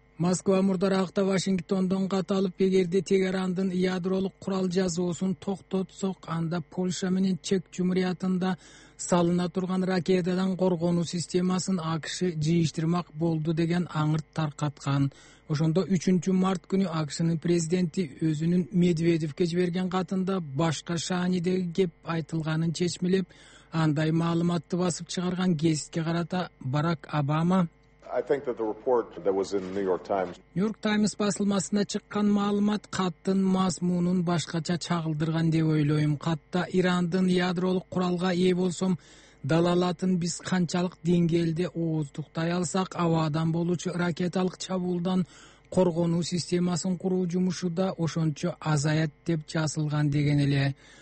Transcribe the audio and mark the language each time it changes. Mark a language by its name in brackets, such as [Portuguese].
[Kyrgyz] Москва мурдараакта Вашингтондон кат алып, эгерде Тегерандын ядролук курал жазуусун токтотсок, анда Польша менен Чек Жумуриятында салына турган ракетадан коргонуу системасын АКШ жыйыштырмак болду деген аңырт таркаткан. Ошондо 3 март күнү АКШнын президенти өзүнүн Медведевке жиберген катында башка шаанидеги кеп айтылганын чечмелеп, андай маалыматты басып чыгарган гезитке карата Барак Обама [English] I think that the report that was in New York Times [Kyrgyz] басылмасына чыккан маалымат каттын мазмунун башкача чагылдырган деп ойлойм. Катта Ирандын ядролук куралга ээ болсом, далалатын биз канчалык деңгээлде ооздуктай алсак, абадан болуучу ракеталык чабуулдан коргонуу системасын куруу жумушу да ошончо азаят деп жазылган деген эле.